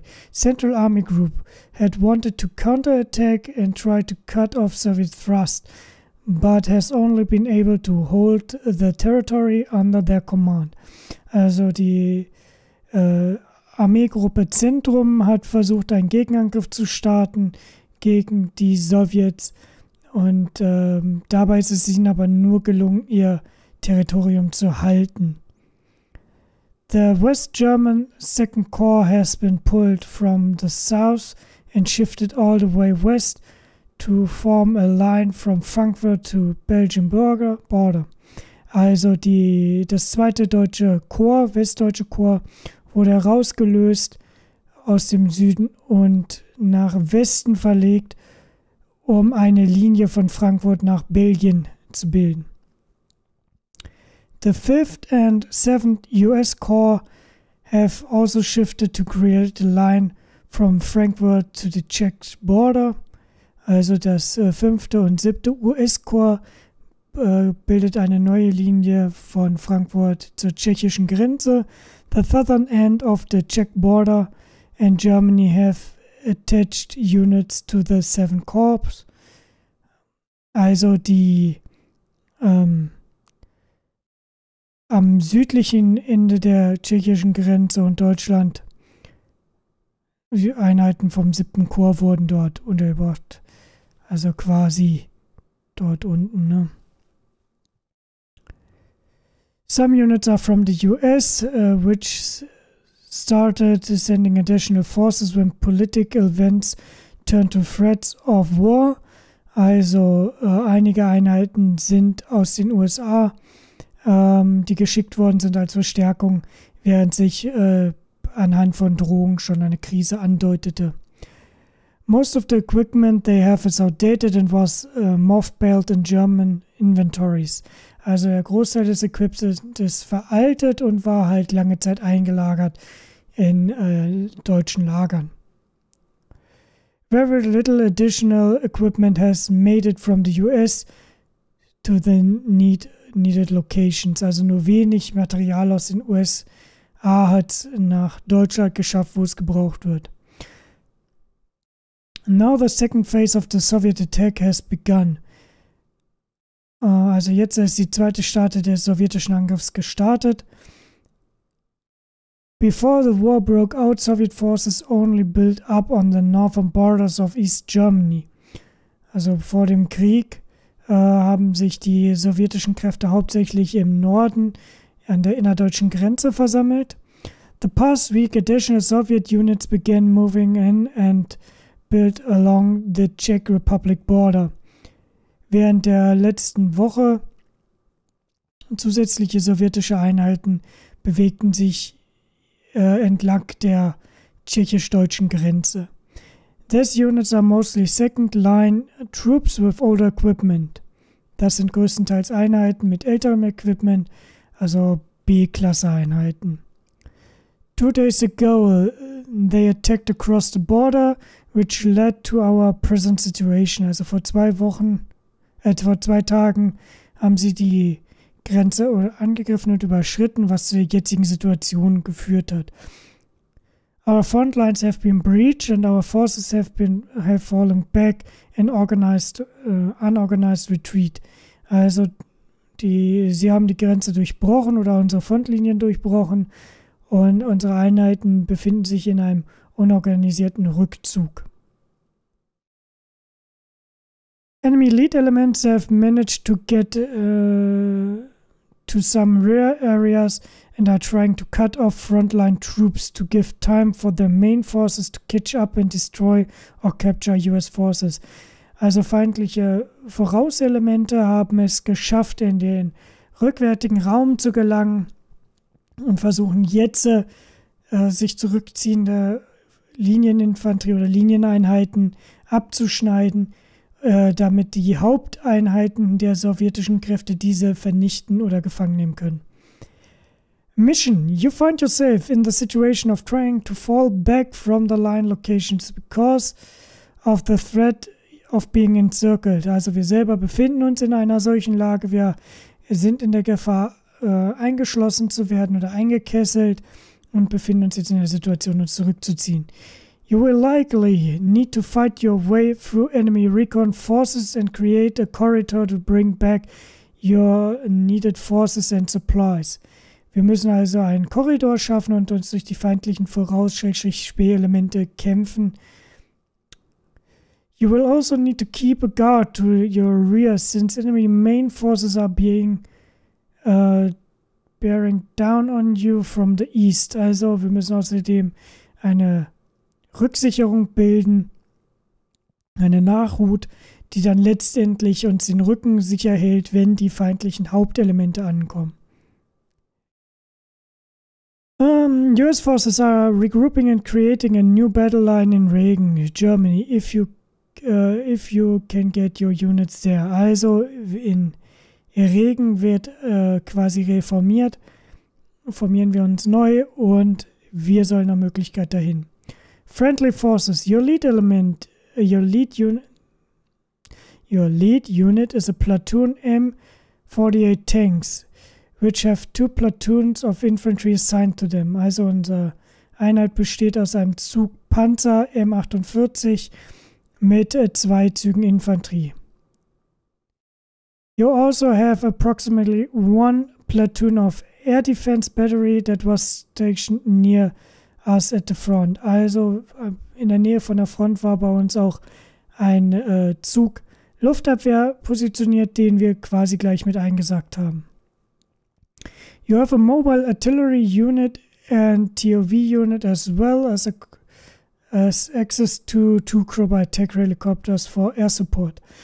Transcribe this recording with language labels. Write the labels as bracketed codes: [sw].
[en] Central Army Group had wanted to counterattack and try to cut off Soviet thrust, but has only been able to hold the territory under their command. [de] Also die Armeegruppe Zentrum hat versucht, einen Gegenangriff zu starten gegen die Sowjets und dabei ist es ihnen aber nur gelungen, ihr Territorium zu halten. [en] The West German Second Corps has been pulled from the south and shifted all the way west to form a line from Frankfurt to Belgian border. [de] Also das zweite deutsche Korps, westdeutsche Korps, wurde herausgelöst aus dem Süden und nach Westen verlegt, um eine Linie von Frankfurt nach Belgien zu bilden. [en] The 5th and 7th US Corps have also shifted to create a line from Frankfurt to the Czech border. [de] Also das 5. und 7. US Corps bildet eine neue Linie von Frankfurt zur tschechischen Grenze. [en] The southern end of the Czech border and Germany have attached units to the 7th Corps. [de] Also die am südlichen Ende der tschechischen Grenze und Deutschland, die Einheiten vom 7. Korps wurden dort untergebracht. Also quasi dort unten, ne? [en] Some units are from the US, which started sending additional forces when political events turned to threats of war. [de] Also einige Einheiten sind aus den USA, die geschickt worden sind als Verstärkung, während sich anhand von Drohungen schon eine Krise andeutete. [en] Most of the equipment they have is outdated and was mothballed in German inventories. [de] Also der Großteil des Equipments ist veraltet und war halt lange Zeit eingelagert in deutschen Lagern. [en] Very little additional equipment has made it from the US to the needed locations. [de] Also nur wenig Material aus den USA hat nach Deutschland geschafft, wo es gebraucht wird. [en] Now the second phase of the Soviet attack has begun. [de] Also jetzt ist die zweite Phase des sowjetischen Angriffs gestartet. [en] Before the war broke out, Soviet forces only built up on the northern borders of East Germany. [de] Also vor dem Krieg haben sich die sowjetischen Kräfte hauptsächlich im Norden an der innerdeutschen Grenze versammelt. [en] The past week, additional Soviet units began moving in and built along the Czech Republic border. [de] Während der letzten Woche zusätzliche sowjetische Einheiten bewegten sich entlang der tschechisch-deutschen Grenze. [en] These units are mostly second-line troops with older equipment. [de] Das sind größtenteils Einheiten mit älterem Equipment, also B-Klasse-Einheiten. [en] 2 days ago, they attacked across the border, which led to our present situation. [de] Also vor zwei Tagen haben sie die Grenze angegriffen und überschritten, was zu der jetzigen Situation geführt hat. [en] Our front lines have been breached and our forces have fallen back in unorganized retreat. [de] Also sie haben die Grenze durchbrochen oder unsere Frontlinien durchbrochen und unsere Einheiten befinden sich in einem unorganisierten Rückzug. [en] Enemy lead elements have managed to get to some rear areas and are trying to cut off frontline troops to give time for their main forces to catch up and destroy or capture US forces. [de] Also feindliche Vorauselemente haben es geschafft, in den rückwärtigen Raum zu gelangen und versuchen jetzt sich zurückziehende Linieninfanterie oder Linieneinheiten abzuschneiden, damit die Haupteinheiten der sowjetischen Kräfte diese vernichten oder gefangen nehmen können. [en] Mission. You find yourself in the situation of trying to fall back from the line locations because of the threat of being encircled. [de] Also wir selber befinden uns in einer solchen Lage. Wir sind in der Gefahr, eingeschlossen zu werden oder eingekesselt und befinden uns jetzt in der Situation, uns zurückzuziehen. [en] You will likely need to fight your way through enemy recon forces and create a corridor to bring back your needed forces and supplies. [de] Wir müssen also einen Korridor schaffen und uns durch die feindlichen Voraus-Spähelemente kämpfen. [en] You will also need to keep a guard to your rear since enemy main forces are being bearing down on you from the east. [de] Also wir müssen außerdem eine Rücksicherung bilden, eine Nachhut, die dann letztendlich uns den Rücken sicher hält, wenn die feindlichen Hauptelemente ankommen. [en] US forces are regrouping and creating a new battle line in Regen, Germany, if you can get your units there. [de] Also in Regen wird quasi reformiert, formieren wir uns neu und wir sollen nach Möglichkeit dahin. [en] Friendly forces, your lead unit is a platoon M48 tanks, which have two platoons of infantry assigned to them. [de] Also unsere Einheit besteht aus einem Zug Panzer M48 mit zwei Zügen Infanterie. [en] You also have approximately one platoon of air defense battery that was stationed near us at the front. [de] Also in der Nähe von der Front war bei uns auch ein Zug Luftabwehr positioniert, den wir quasi gleich mit eingesackt haben. [en] You have a mobile artillery unit and TOV unit as well as access to two Crobat attack helicopters for air support.